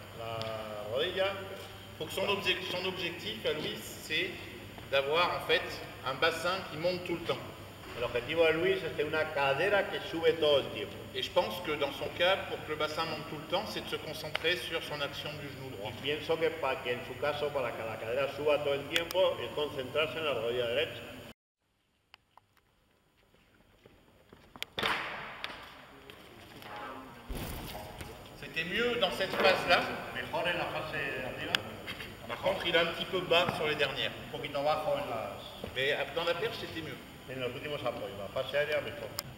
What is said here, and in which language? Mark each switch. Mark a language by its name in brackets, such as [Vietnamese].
[Spanish] La rodilla. [French] Faut que son objectif à Luis, c'est d'avoir en fait un bassin qui monte tout le temps. L'objectif à Luis, c'est une cadera qui [Spanish] sube todo el tiempo. [French] Et je pense que dans son cas, pour que le bassin monte tout le temps, c'est de se concentrer sur son action du genou droit. [Spanish] Y pienso que para que en su caso para que la cadera suba todo el tiempo es concentrarse en la rodilla derecha. [French] C'était mieux dans cette phase-là. [Spanish] Mejor en la fase de [French] arriba. Par contre, il est un petit peu bas sur les dernières. [Spanish] Un poquito bajo en las. [French] Mais dans la perche, c'était mieux. [Spanish] En los últimos apoyos, la fase aérea mejor.